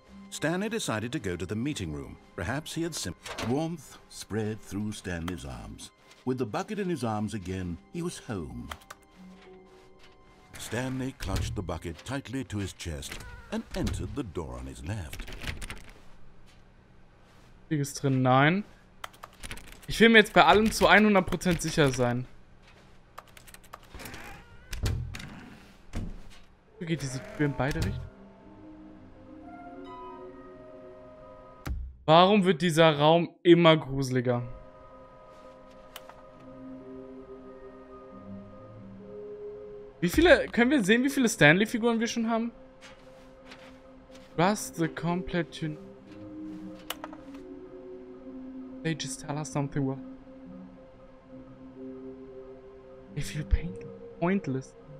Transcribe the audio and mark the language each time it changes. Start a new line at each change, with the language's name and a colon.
English: Stanley decided to go to the meeting room. Perhaps he had warmth spread through Stanley's arms. With the bucket in his arms again, he was home. Stanley clutched the bucket tightly to his chest and entered the door on his left.
German: Hier ist drin, nein. Ich will mir jetzt bei allem zu 100% sicher sein. Geht diese Tür in beide Richtungen? Warum wird dieser Raum immer gruseliger? Wie viele, können wir sehen, wie viele Stanley-Figuren wir schon haben?
English: Trust the complete un- They just tell us something wrong. They feel pointless.